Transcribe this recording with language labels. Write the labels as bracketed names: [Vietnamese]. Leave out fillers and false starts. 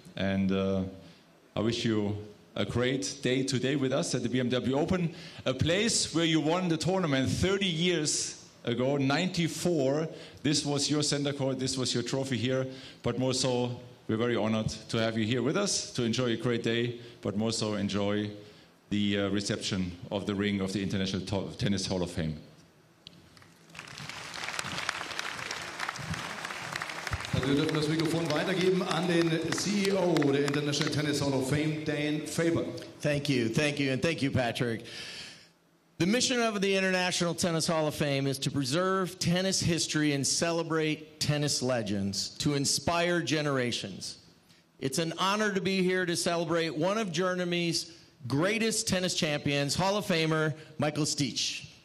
[English] And I wish you a great day today with us at the BMW Open, a place where you won the tournament 30 years ago, 94. This was your center court, this was your trophy here, but more so, we're very honored to have you here with us to enjoy a great day, but more so enjoy the reception of the ring of the International Tennis Hall of Fame. [German] Wir dürfen das Mikrofon weitergeben an den CEO der International Tennis Hall of Fame, Dan Faber. [English] Thank you, Patrick. The mission of the International Tennis Hall of Fame is to preserve tennis history and celebrate tennis legends, to inspire generations. It's an honor to be here to celebrate one of Germany's greatest tennis champions, Hall of Famer Michael Stich.